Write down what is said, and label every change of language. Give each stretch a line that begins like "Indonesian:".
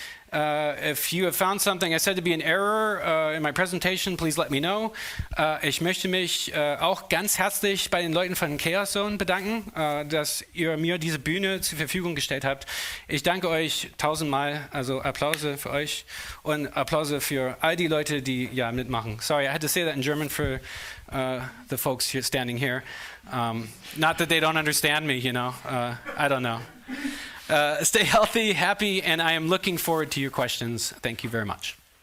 English: If you have found something I said to be an error in my presentation, please let me know.
German: Ich möchte mich auch ganz herzlich bei den Leuten von Chaoszone bedanken, dass ihr mir diese Bühne zur Verfügung gestellt habt. Ich danke euch tausendmal, also Applaus für euch und Applaus für all die Leute, die ja mitmachen.
English: Sorry, I had to say that in German for the folks here standing here. Not that they don't understand me, you know. I don't know. Stay healthy, happy, and I am looking forward to your questions. Thank you very much.